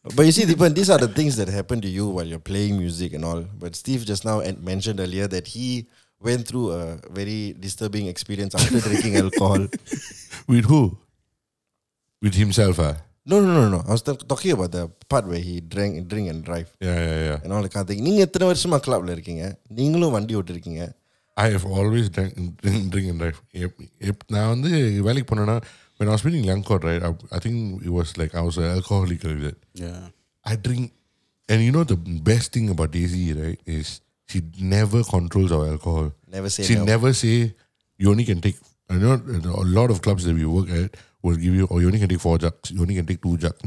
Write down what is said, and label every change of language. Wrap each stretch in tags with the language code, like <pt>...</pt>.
<en>But you see, Deepan, these are the things that happen to you while you're playing music and all. But Steve just now mentioned earlier that he went through a very disturbing experience after drinking alcohol. With who? With himself, huh? No. I was talking about the part where he drank and drive. Yeah. And all the kind of thing.</en> <ta>நீங்க எத்தனை வருஷமா கிளப்ல இருக்கீங்க? நீங்களும் வண்டி ஓட்டிருக்கீங்க?</ta> <en>I have always drank and drive.</en> <ta>நான் வந்து வேலைக்கு போனேன்னா,</ta> <en>when I was meeting Langkot, right? I think it was like I was an alcoholic. Like that. Yeah. I drink. And you know the best thing about Daisy, right, is she never controls our alcohol. She never say, you only can take, a lot of clubs that we work at will give you, you only can take 4 jugs, you only can take 2 jugs.</en>